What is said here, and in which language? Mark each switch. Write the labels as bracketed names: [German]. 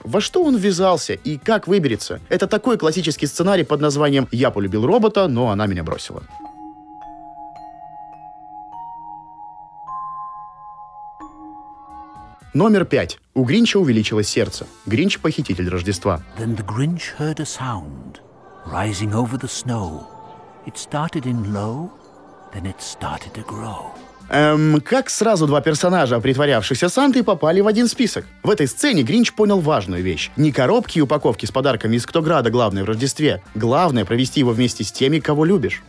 [Russian] Во что он ввязался и как выберется? Это такой классический сценарий под названием «Я полюбил робота, но она меня бросила». Номер 5. У Гринча увеличилось сердце. Гринч – похититель Рождества. [English] Then the Grinch heard a sound, rising over the snow. It started in low, then it started to grow. [Russian] Как сразу два персонажа, притворявшихся Сантой, попали в один список? В этой сцене Гринч понял важную вещь. Не коробки и упаковки с подарками из Ктограда главное в Рождестве. Главное – провести его вместе с теми, кого любишь.